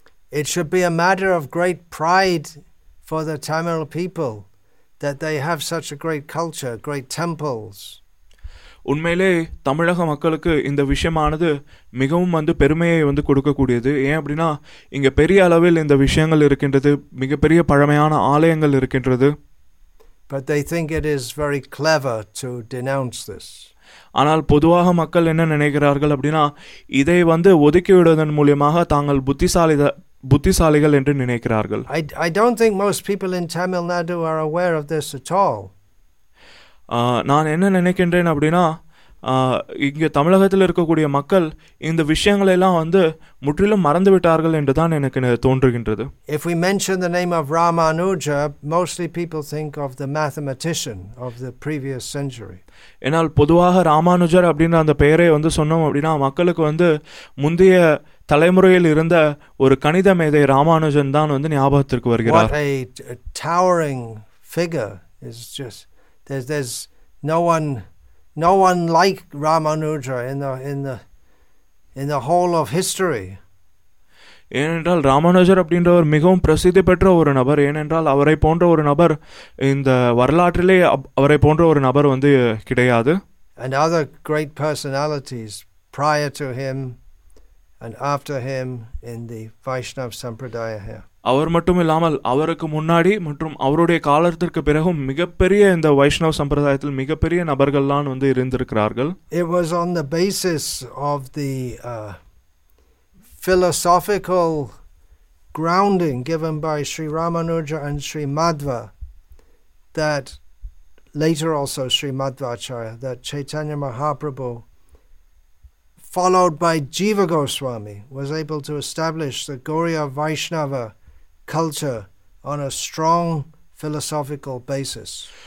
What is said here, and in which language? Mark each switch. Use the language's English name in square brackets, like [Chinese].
[English] It should be a matter of great pride for the Tamil people that they have such a great culture, great temples. [Tamil] உண்மையிலே தமிழக மக்களுக்கு இந்த விஷயமானது மிகவும் வந்து பெருமையை வந்து கொடுக்கக்கூடியது. ஏன் அப்படின்னா இங்கே பெரிய அளவில் இந்த விஷயங்கள் இருக்கின்றது, மிகப்பெரிய பழமையான ஆலயங்கள் இருக்கின்றது. [English] But they think it is very clever to denounce this. [Tamil] ஆனால் பொதுவாக மக்கள் என்ன நினைக்கிறார்கள் அப்படின்னா இதை வந்து ஒதுக்கிவிடுவதன் மூலியமாக தாங்கள் புத்திசாலிகள் என்று நினைக்கிறார்கள். [English] I don't think most people in Tamil Nadu are aware of this at all. [Tamil] நான் என்ன நினைக்கின்றேன் அப்படின்னா இங்கே தமிழகத்தில் இருக்கக்கூடிய மக்கள் இந்த விஷயங்களெல்லாம் வந்து முற்றிலும் மறந்துவிட்டார்கள் என்று தான் எனக்கு தோன்றுகின்றது. [English] If we mention the name of Ramanuja, mostly people think of the mathematician of the previous century. [Tamil] ஏனால் பொதுவாக ராமானுஜர் அப்படின்ற அந்த பெயரை வந்து சொன்னோம் அப்படின்னா மக்களுக்கு வந்து முந்தைய தலைமுறையில் இருந்த ஒரு கணித மேதை ராமானுஜன் தான் வந்து ஞாபகத்திற்கு வருகிறார். [English] What a towering figure is just... There's no one like Ramanuja in the whole of history. [Tamil] ஏனென்றால் ராமானுஜர் அப்படின்ற ஒரு மிகவும் பிரசித்தி பெற்ற ஒரு நபர். ஏனென்றால் அவரை போன்ற ஒரு நபர் இந்த வரலாற்றிலே அவரை போன்ற ஒரு நபர் வந்து கிடையாது. [English] And other great personalities prior to him and after him in the Vaishnav Sampradaya here. [Tamil] அவர் மட்டும் இல்லாமல் அவருக்கு முன்னாடி மற்றும் அவருடைய காலத்திற்கு பிறகும் மிகப்பெரிய இந்த வைஷ்ணவ சம்பிரதாயத்தில் மிகப்பெரிய நபர்கள்லாம் வந்து இருந்திருக்கிறார்கள். [English] It was on the basis of the philosophical grounding given by Sri Ramanuja and Sri Madhva that later also Sri Madhvacharya, that Chaitanya Mahaprabhu, followed by Jiva Goswami, was able to establish the Gaudiya Vaishnava culture on a strong philosophical basis.